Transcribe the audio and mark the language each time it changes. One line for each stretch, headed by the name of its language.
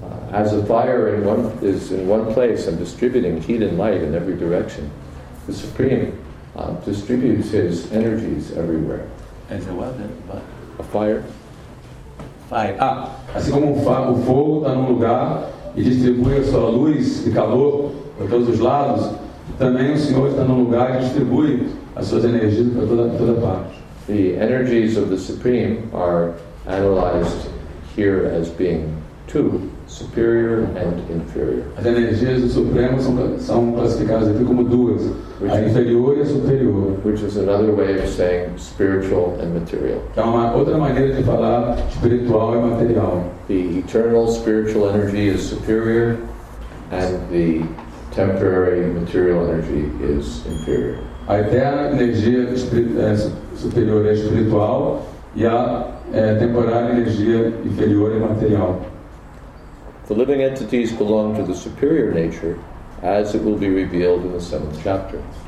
English: As a fire is in one place and distributing heat and light in every direction, the Supreme distributes his energies everywhere. As a weapon, but a fire? Fire.
Portuguese: Assim como o fogo está num lugar e distribui a sua luz e calor para todos os lados, também o Senhor está num lugar e distribui as suas energias para toda parte.
English: The energies of the Supreme are analyzed here as being two, superior and inferior.
Portuguese: As energias do Supremo são classificadas aqui como duas, a inferior e a superior.
English: Which is another way of saying spiritual and material.
Portuguese: É uma outra maneira de falar espiritual e material.
English: The eternal spiritual energy is superior, and the temporary material energy is inferior.
Portuguese: a eterna energia superior é espiritual e a temporária energia inferior é material.
English: The living entities belong to the superior nature, as it will be revealed in the seventh chapter.